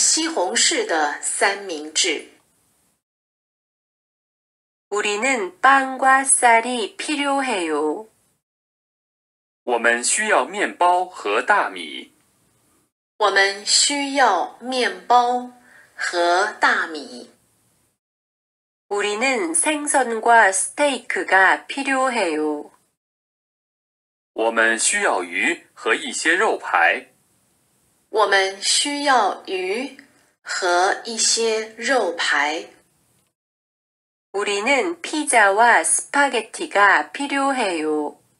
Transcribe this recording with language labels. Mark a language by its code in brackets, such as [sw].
[zh] 我吃一个加植物黄油和西红柿的三明治。我吃一个加植物黄油和西红柿的三明治。 [ko] 우리는 빵과 쌀이 필요해요. [zh] 我们需要面包和大米。我们需要面包和大米。 [ko] 우리는 생선과 스테이크가 필요해요. [zh] 我们需要鱼和一些肉排。我们需要鱼和一些肉排。 [ko] 우리는 피자와 스파게티가 필요해요.